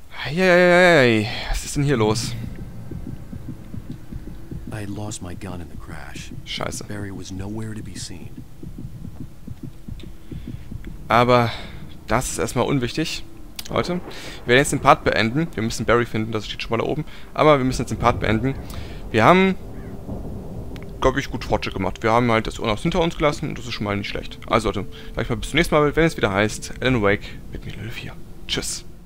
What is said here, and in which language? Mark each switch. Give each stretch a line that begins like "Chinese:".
German: Yay, was ist denn hier los?
English: I had lost my gun in the crash.
German: Scheiße.
English: Barry was nowhere to be seen.
German: Aber das ist erstmal unwichtig. Leute, wir werden jetzt den Part beenden. Wir müssen Barry finden, das steht schon mal da oben. Aber wir müssen jetzt den Part beenden. Wir haben, glaube ich, gut Fortschritt gemacht. Wir haben halt das Urlaub hinter uns gelassen und das ist schon mal nicht schlecht. Also Leute, sag ich mal bis zum nächsten Mal, wenn es wieder heißt Alan Wake mit Mini-Level 4. Tschüss.